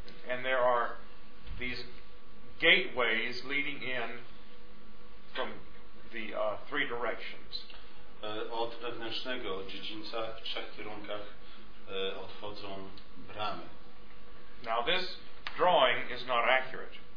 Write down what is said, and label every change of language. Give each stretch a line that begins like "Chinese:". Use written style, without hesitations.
English: And there are these gateways leading in from the three directions.
Polish: Od wewnętrznego dziedzińca w trzech kierunkach odchodzą bramy.
English: Now this drawing is not accurate.